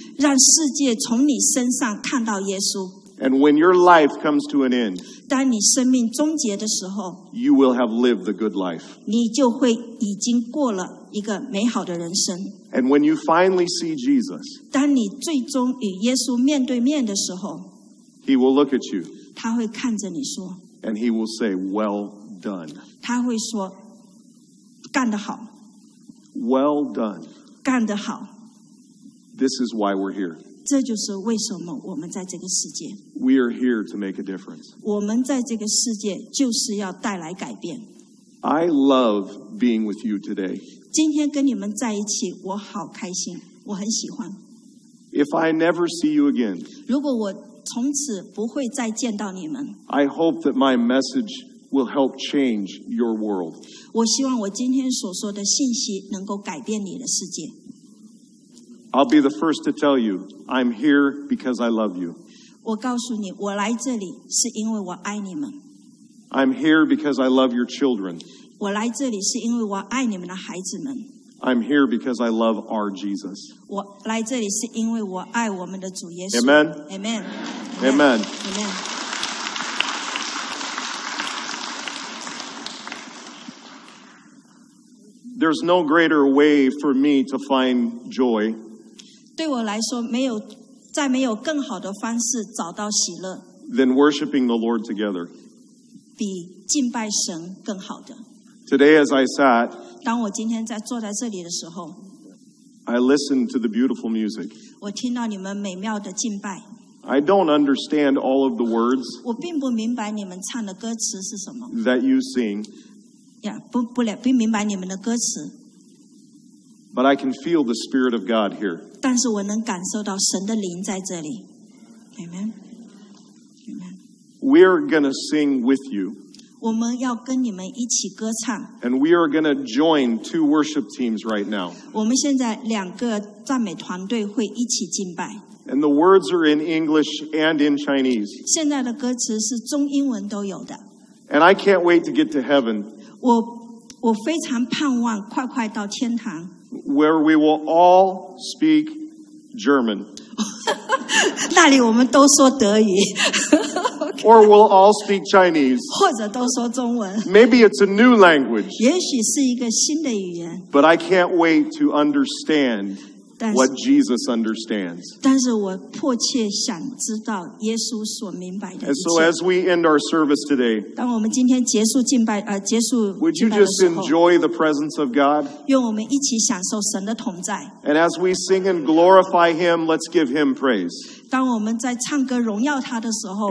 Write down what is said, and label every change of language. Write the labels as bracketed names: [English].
[Chinese] 让世界从你身上看到耶稣。 [English] And when your life comes to an end, [Chinese] 当你生命终结的时候, [English] you will have lived the good life. [Chinese] 你就会已经过了一个美好的人生。 [English] And when you finally see Jesus, [Chinese] 当你最终与耶稣面对面的时候, [English] he will look at you. [Chinese] 他会看着你说, [English] and he will say, well done. [Chinese] 他会说, 干得好。 [English] Well done. [Chinese] 干得好。 [English] This is why we're here. [Chinese] 这就是为什么我们在这个世界。 [English] We are here to make a difference. [Chinese] 我们在这个世界就是要带来改变。 [English] I love being with you today. [Chinese] 今天跟你们在一起, 我好开心, 我很喜欢。 [English] If I never see you again, [Chinese] 如果我从此不会再见到你们, [English] I hope that my message will help change your world. [Chinese] 我希望我今天所说的信息能够改变你的世界。 [English] I'll be the first to tell you, I'm here because I love you. [Chinese] 我告诉你, 我来这里是因为我爱你们。 [English] I'm here because I love your children. [Chinese] 我来这里是因为我爱你们的孩子们。 [English] I'm here because I love our Jesus. [Chinese] 我来这里是因为我爱我们的主耶稣。 [English] Amen. Amen. Amen. Amen. Amen. There's no greater way for me to find joy. [Chinese] 对我来说，没有更好的方式找到喜乐 [English] than worshiping the Lord together. [Chinese] 比敬拜神更好的。 [English] Today as I sat, [Chinese] 当我今天坐在这里的时候, [English] I listened to the beautiful music. [Chinese] 我听到你们美妙的敬拜。 [English] I don't understand all of the words [Chinese] 我并不明白你们唱的歌词是什么。 [English] that you sing. [Chinese] Yeah, 不明白你们的歌词。 [English] But I can feel the Spirit of God here. [Chinese] 但是我能感受到神的灵在这里。 [English] Amen. We're going to sing with you. [Chinese] 我们要跟你们一起歌唱。 [English] And we are going to join two worship teams right now. [Chinese] 我们现在两个赞美团队会一起敬拜。 [English] And the words are in English and in Chinese. [Chinese] 现在的歌词是中英文都有的。 [English] And I can't wait to get to heaven. [Chinese] 我非常盼望快快到天堂。 [English] Where we will all speak German. [Chinese] 那里我们都说德语。 [English] Or we'll all speak Chinese. [Chinese] 或者都说中文。 [English] Maybe it's a new language. [Chinese] 也许是一个新的语言。 [English] But I can't wait to understand what Jesus understands. [Chinese] 但是我迫切想知道耶稣所明白的一切。 [English] And so as we end our service today, [Chinese] 当我们今天结束敬拜, 结束礼拜的时候, [English] would you just enjoy the presence of God? [Chinese] 用我们一起享受神的同在。 [English] And as we sing and glorify Him, let's give Him praise. [Chinese] 当我们在唱歌荣耀他的时候,